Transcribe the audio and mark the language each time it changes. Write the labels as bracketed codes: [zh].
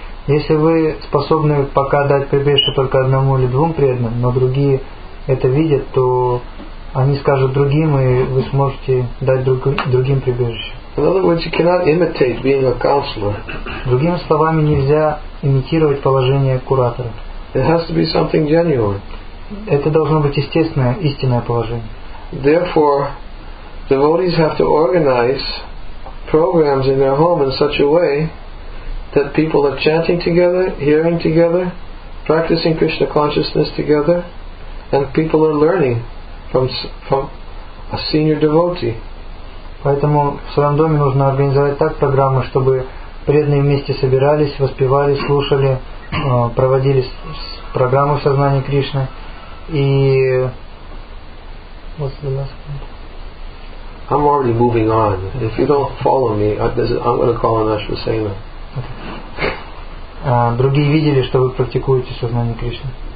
[ru] Если вы способны пока дать прибежище только одному или двум преданным, но другие это видят, то они скажут другим, и вы сможете дать другим прибежище. [en] In other words, you cannot imitate being a counselor. [ru] Другими словами, нельзя имитировать положение куратора. [en] It has to be something genuine. [ru] Это должно быть естественное, истинное положение. [en] Therefore, devotees have to organize programs in their home in such a way that people are chanting together, hearing together, practicing Krishna consciousness together, and people are learning from a senior devotee. [ru] Поэтому в своем доме нужно организовать так программы, чтобы преданные вместе собирались, воспевали, слушали, проводили программы в сознании Кришны. [en] И what's the last point? I'm already moving on. If you don't follow me, I'm going to call an ashwasena. Okay. [ru] Другие видели, что вы практикуете сознание Кришны.